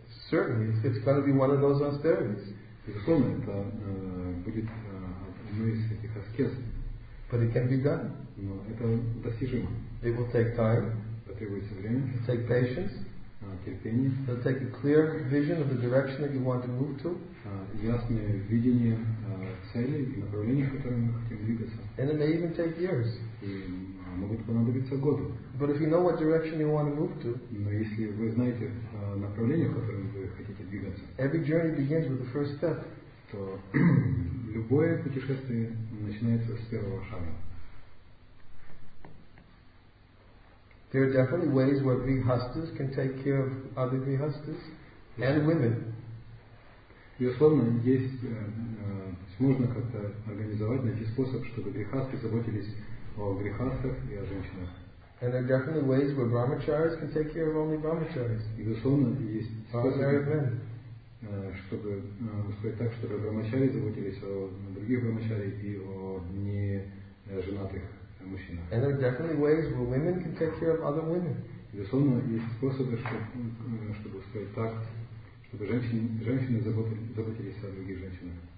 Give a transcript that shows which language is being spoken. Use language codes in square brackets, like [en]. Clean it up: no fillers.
[en] Certainly, it's going to be one of those austerities. But it can be done. [ru] Но это достижимо. [en] It will take time. [ru] Потребуется время. [en] It'll take patience. [ru] Терпение. [en] It'll take a clear vision of the direction that you want to move to. [ru] Ясное видение цели и направления, в котором мы хотим двигаться. [en] And it may even take years. [ru] И могут понадобиться годы. [en] But if you know what direction you want to move to. [ru] Но если вы знаете направление, в котором вы хотите двигаться. [en] Every journey begins with the first step. [ru] То любое путешествие начинается с первого шага. [en] There are definitely ways where grihasthas can take care of other grihasthas and women. [ru] Безусловно, есть можно как-то организовать, найти способ, чтобы грихасты заботились о грихастах и о женщинах. [en] And there are definitely ways where brahmacharis can take care of only brahmacharis. [ru] Безусловно, есть способы, чтобы устроить так, чтобы брахмачари заботились о других брахмачари и о не женатых. [en] And there are definitely ways where women can take care of other women. [ru] Безусловно, есть способы, чтобы устроить так, чтобы женщины заботились о других женщинах.